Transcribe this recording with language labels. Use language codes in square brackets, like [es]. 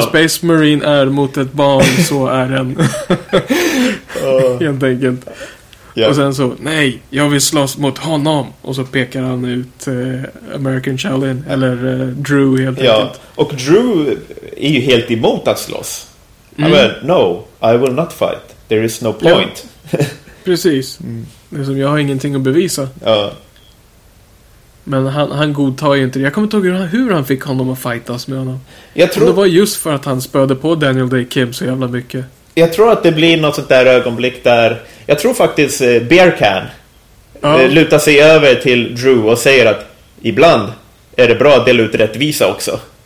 [sv] En Space Marine är mot ett barn, så är den. Helt enkelt. Ja. Och sen så, nej, jag vill slåss mot honom. Och så pekar han ut American Shaolin, eller Drew helt enkelt. Och Drew är ju helt emot att slåss. [en] Mm. I mean, no, I will not fight. There is no point. [sv] Ja. Precis. Mm. Liksom, jag har ingenting att bevisa. Ja. Men han godtar ju inte det. Jag kommer inte ihåg hur han fick honom att fightas med honom. Jag tror... Det var just för att han spöade på Daniel Day-Kim så jävla mycket. Jag tror att det blir något sånt där ögonblick där... Jag tror faktiskt Bear Can lutar sig över till Drew och säger att ibland är det bra att dela ut rättvisa också.